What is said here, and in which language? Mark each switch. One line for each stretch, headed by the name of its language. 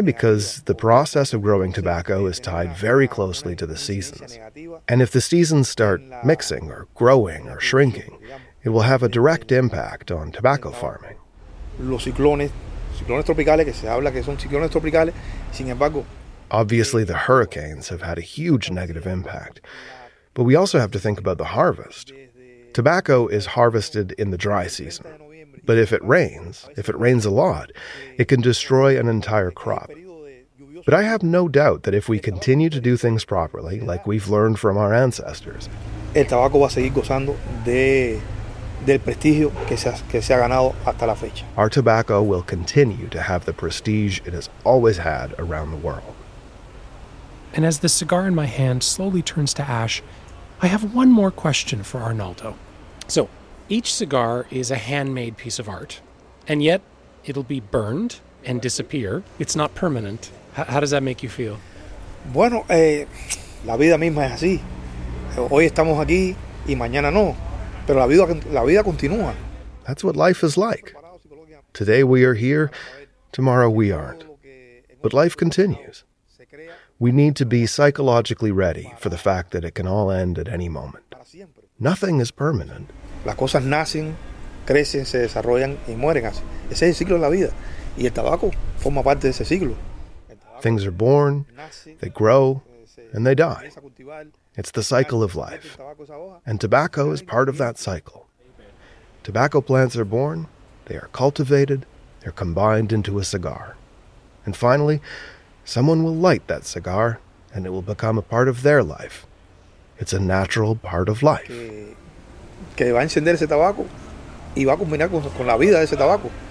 English: Because the process of growing tobacco is tied very closely to the seasons. And if the seasons start mixing or growing or shrinking, it will have a direct impact on tobacco farming.
Spanish: Los ciclones, ciclones tropicales, que se habla que son ciclones tropicales, sin embargo.
English: Obviously, the hurricanes have had a huge negative impact. But we also have to think about the harvest. Tobacco is harvested in the dry season. But if it rains a lot, it can destroy an entire crop. But I have no doubt that if we continue to do things properly, like we've learned from our ancestors,
Spanish: el tabaco va a seguir gozando del prestigio que se ha ganado hasta la fecha.
English: Our tobacco will continue to have the prestige it has always had around the world. And as the cigar in my hand slowly turns to ash, I have one more question for Arnaldo. So, each cigar is a handmade piece of art, and yet it'll be burned and disappear. It's not permanent. How does that make you feel?
Spanish: Bueno, la vida misma es así. Hoy estamos aquí y mañana no. Pero la vida continúa.
English: That's what life is like. Today we are here, tomorrow we aren't. But life continues. We need to be psychologically ready for the fact that it can all end at any moment. Nothing is permanent.
Spanish: Las cosas nacen, crecen, se desarrollan y mueren. Ese es el ciclo de la vida. Y el tabaco forma parte de ese ciclo.
English: Things are born, they grow, and they die. It's the cycle of life. And tobacco is part of that cycle. Tobacco plants are born, they are cultivated, they're combined into a cigar. And finally, someone will light that cigar, and it will become a part of their life. It's a natural part of life.
Spanish: Que va a encender ese tabaco y va a combinar con la vida de ese tabaco.